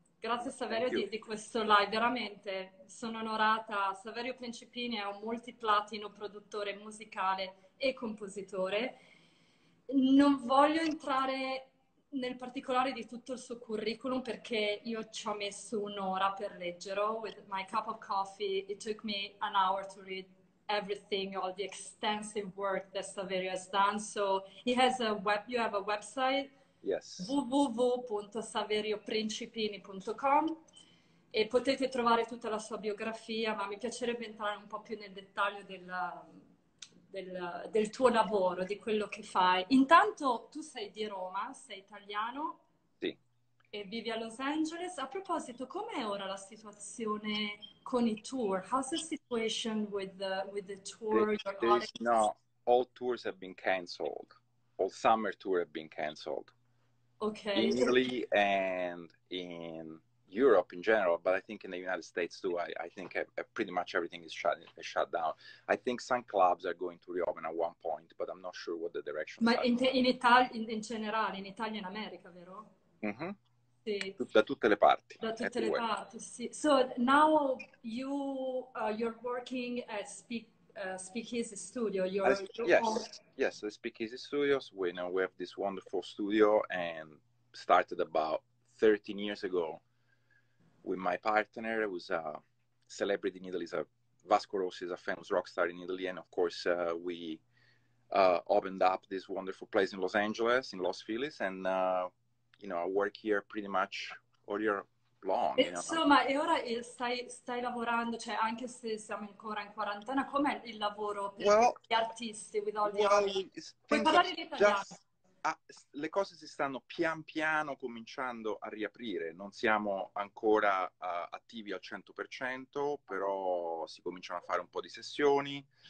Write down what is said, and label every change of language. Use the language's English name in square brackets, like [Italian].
[Italian] Grazie Saverio di questo live, veramente sono onorata. Saverio Principin è un multiplatino produttore musicale e compositore. Non voglio entrare nel particolare di tutto il suo curriculum perché io ci ho messo un'ora per leggerlo. [English] With my cup of coffee, it took me an hour to read everything, all the extensive work that Saverio has done. So he has a web, you have a website? Yes. [Italian] www.saverioprincipini.com e potete trovare tutta la sua biografia, ma mi piacerebbe entrare un po' più nel dettaglio del tuo lavoro, di quello che fai. Intanto tu sei di Roma, sei italiano, sì, e vivi a Los Angeles. A proposito, com'è ora la situazione con i tour? [English] How's the situation with the tour? No, all tours have been cancelled. All summer tours have been cancelled. Okay. In Italy and in Europe in general, but I think in the United States too, I think pretty much everything is shut down. I think some clubs are going to reopen at one point, but I'm not sure what the direction. [Italian] Ma in generale, in Italia e in America, vero? Mm-hmm. Sì. Da tutte le parti. Da tutte [English] everywhere. [Italian] Le parti, sì. [English] So now you're working at Speakeasy Studio. The Speakeasy Studios. We have this wonderful studio and started about 13 years ago. With my partner, who's a celebrity in Italy, Vasco Rossi is a famous rock star in Italy, and of course we opened up this wonderful place in Los Angeles, in Los Feliz, and you know, I work here pretty much all year long. [Italian] Insomma, e ora stai lavorando, cioè anche se siamo ancora in quarantena, com'è il lavoro per gli artisti? Puoi parlare in italiano? Le cose si stanno pian piano cominciando a riaprire, non siamo ancora attivi al 100%, però si cominciano a fare un po' di sessioni.